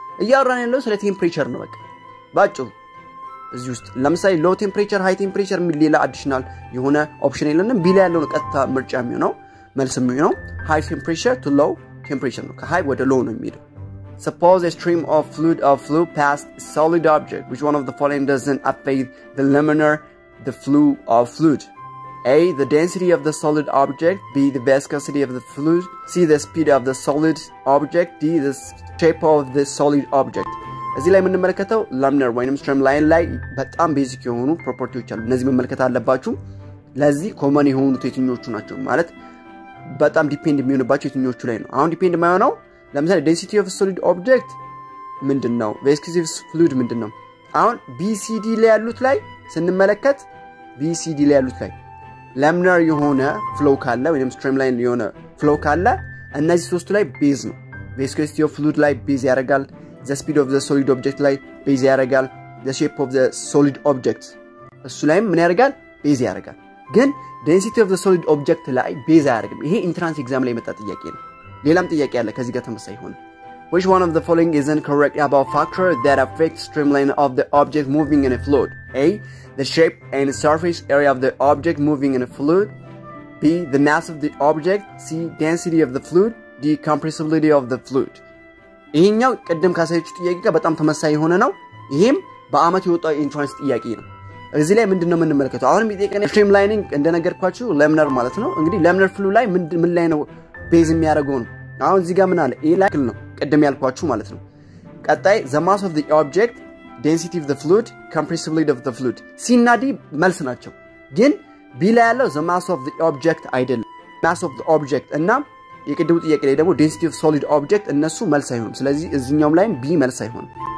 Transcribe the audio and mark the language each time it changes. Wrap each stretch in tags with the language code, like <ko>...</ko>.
<am>ያያውራን ያለ ነው ስለ ቴምፕሬቸር ነው። በቃ ባጭሩ እዚህ ውስጥ ለምሳሌ ሎ ቴምፕሬቸር ሃይ ቴምፕሬቸር ምን ሌላ አዲሽናል የሆነ ኦፕሽን የለንም። ቢ ላይ ያለው ቀጥታ ምርጫም ይሆነው መልስም ይሆነው</am> <en>high temperature to low temperature no high with the low no mid. Suppose a stream of fluid of flow past a solid object, which one of the following doesn't affect the laminar the flow of fluid? A, the density of the solid object, B, the viscosity of the fluid, C, the speed of the solid object, D, the shape of the solid object.</en> <am>እዚ ላይ ምን መልከታው ላሚነር ወይንም ስትሪም ላይን ላይ በጣም ቤዚክ የሆኑ ፕሮፐርቲዎች አሉ። እነዚህ ምን መልከታ አለባችሁ ለዚህ ኮመን የሆኑ ቴክኒኮች ናቸው ማለት በጣም ዲፔንድ የሚሆንባቸው የትኞቹ ላይ ነው? አሁን ዲፔንድ የማይሆነው ለምሳሌ ዴንሲቲ ኦፍ ሶሊድ ኦብጀክት ምንድነው? ቬስኪቲቭ ፍሉድ ምንድነው? አሁን ቢሲዲ ላይ ያሉት ላይ ስንመለከት ቢሲዲ ላይ ያሉት ላይ ላሚናር የሆነ ፍሎ ካለ ወይንም ስትሪም ላይን የሆነ ፍሎ ካለ እነዚህ ሶስቱ ላይ ቤዝ ነው። ቬስኪቲቭ ፍሉድ ላይ ቤዝ ያረጋል፣</am> <en>ዘ ስፒድ ኦፍ ዘ ሶሊድ ኦብጀክት</en> <am>ላይ ቤዝ ያረጋል፣</am> <en>ዘ ሼፕ ኦፍ ዘ ሶሊድ ኦብጀክት</en> <am>እሱ ላይ ምን ያረጋል ቤዝ ያረጋል። ግን</am> <en>density of the solid object</en> <am>ላይ ቤዝ አያደርግም። ይሄ ኢንትራንስ ኤግዛም ላይ የመጣ ጥያቄ ነው። ሌላም ጥያቄ አለ ከዚህ ጋር ተመሳሳይ ሆነ።</am> <en>Which one of the following isn't correct about factor that affects streamline of the object moving in a fluid? A, the shape and surface area of the object moving in a fluid, B, the mass of the object, C, density of the fluid, D, compressibility of the fluid.</en> <am>ይሄኛው ቀደም ካሳየችው ጥያቄ ጋር በጣም ተመሳሳይ ሆነ ነው። ይሄም በአመት የወጣ ኢንትራንስ ጥያቄ ነው። እዚህ ላይ ምንድነው የምንመለከተው? አሁን የሚጠይቀን ስትሪም ላይኒንግ እንደነገርኳችሁ ላሚነር ማለት ነው። እንግዲህ ላሚነር ፍሉ ላይ ምን ላይ ነው ቤዝ የሚያደርገው ነው። አሁን እዚህ ጋር ምን አለ? ኤ ላይክል ነው ቀደም ያልኳችሁ ማለት ነው። ቀጣይ</am> <en>ዘ ማስ ኦፍ ዘ ኦብጀክት፣ ዴንሲቲ ኦፍ ዘ ፍሉድ፣</en> <am>ኮምፕሬሲቢሊቲ ኦፍ ዘ ፍሉድ ሲና ዲ መልስ ናቸው። ግን ቢ ላይ ያለው ዘ ማስ ኦፍ ዘ ኦብጀክት አይደለም። ማስ ኦፍ ዘ ኦብጀክት እና የቅድሙ ጥያቄ ላይ ደግሞ ዴንሲቲ ኦፍ ሶሊድ ኦብጀክት እነሱ መልስ አይሆኑም። ስለዚህ እዚህኛውም ላይም ቢ መልስ አይሆንም።</am>